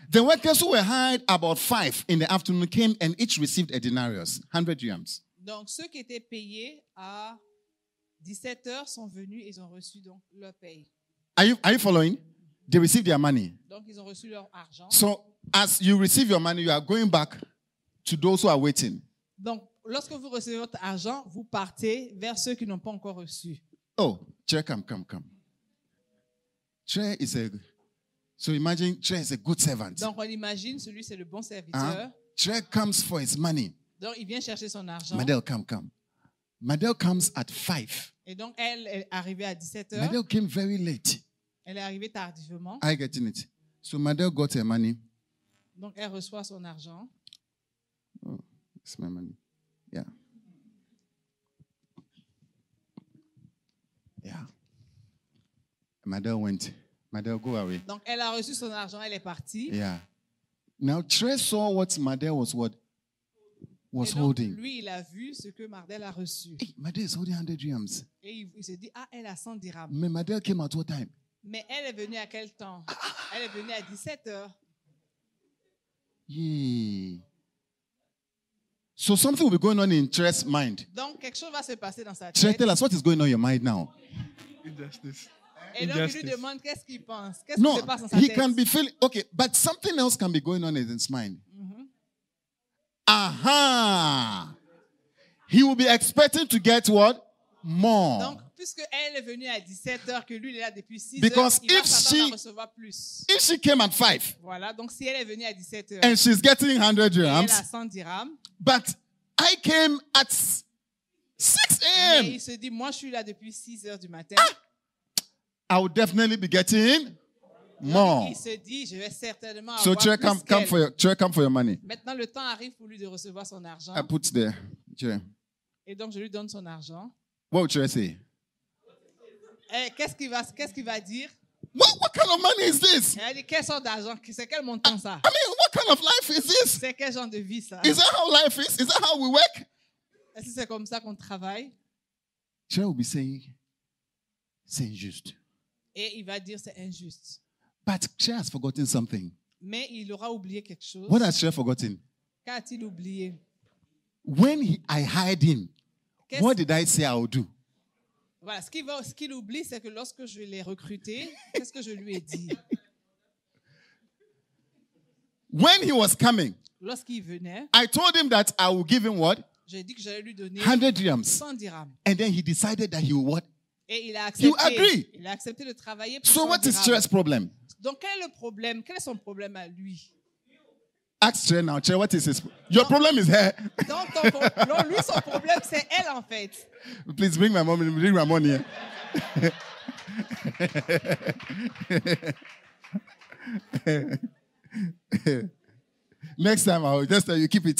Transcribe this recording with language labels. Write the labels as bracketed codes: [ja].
[en] The workers who were hired about 5 in the afternoon came and each received a denarius, 100 dirhams. [fr] Donc ceux qui étaient payés à 17 heures sont venus et ils ont reçu donc leur paye. [en] Are you following? They received their money. [fr] Donc ils ont reçu leur argent. [en] So as you receive your money, you are going back to those who are waiting. [fr] Donc lorsque vous recevez votre argent, vous partez vers ceux qui n'ont pas encore reçu. [en] Oh, Chair, come. Chair is a... So imagine, Chair is a good servant. [fr] Donc, on imagine, celui, c'est le bon serviteur. [en] Chair comes for his money. [fr] Donc, il vient chercher son argent. [en] Madel, come. Madel comes at 5. [fr] Et donc, elle est arrivée à 17h. [en] Madel came very late. [fr] Elle est arrivée tardivement. [en] I get it. So Madel got her money. [fr] Donc, elle reçoit son argent. [en] Oh, it's my money. Yeah. Yeah. Madel went. Madel, go away. [fr] Donc, elle a reçu son argent. Elle est partie. [en] Yeah. Now, Trey saw what Madel was what? Was [fr] et donc, [en] holding. [fr] Lui, il a vu ce que Madel a reçu. [en] Hey, Madel is holding 100 dirhams. [fr] Et il se dit, ah, elle a 100 dirhams. [en] Mais Madel came at what time? [fr] Mais elle est venue à quel temps? Elle est venue à 17 heures. Yee. [en] So something will be going on in Trey's mind. [fr] Donc, quelque chose va se passer dans sa tête. [en] Trey, tell us what is going on in your mind now. Injustice. [fr] Et donc, il lui demande qu'est-ce qu'il pense. Qu'est-ce qui se passe dans sa tête? [en] He can be feeling, okay, but something else can be going on in his mind. Aha! He will be expecting to get what? More. [fr] Donc, puisque elle est venue à 17h, que lui, il est là depuis 6h, [en] because [fr] il va s'attendre à recevoir plus. [en] If she came at 5, [fr] voilà, donc si elle est venue à 17h, [en] and she's getting 100 dirhams, [fr] elle a 100 dirhams, [en] but I came at 6 a.m. [fr] Et il se dit, moi, je suis là depuis 6h du matin. [en] Ah! I will definitely be getting more. [fr] Il se dit, je vais certainement [en] so [fr] avoir [en] come for your money. [fr] Maintenant, le temps arrive pour lui de recevoir son argent. [en] I put there, Trey. [fr] Et donc, je lui donne son argent. [en] What would Trey say? [fr] Qu'est-ce qu'il va dire? [en] What kind of money is this? [fr] Elle dit, quel sort d'argent? C'est quel montant ça? [en] I mean, what kind of life is this? [fr] C'est quel genre de vie ça? [en] Is that how life is? Is that how we work? [fr] Est-ce que c'est comme ça qu'on travaille? [en] Trey will be saying, [fr] c'est injuste. Et il va dire, c'est injuste. [en] But Trey has forgotten something. [fr] Mais il aura oublié quelque chose. [en] What has Trey forgotten? [fr] Qu'a-t-il oublié? [en] When I hired him, what did I say I would do? [fr] Voilà, ce qu'il oublie, c'est que lorsque je l'ai recruté, qu'est-ce que je lui ai dit? [en] When he was coming, [fr] lorsqu'il venait, [en] I told him that I would give him what? [fr] J'ai dit que j'allais lui donner [en] 100 dirhams. [fr] 100 dirhams. [en] And then he decided that he would what? [fr] Et il a accepté. [en] You agree? [fr] Il a accepté de travailler pour [en] so [fr] 100 dirhams. [en] So what is Trey's problem? [fr] Donc quel est le problème? Quel est son problème à lui? [en] Ask Trey now. Trey, what is his problem? Your problem is her. [fr] Non, lui, son problème, c'est elle, en fait. [en] Please bring my mom and bring my money. Next time, I'll just tell you, keep it.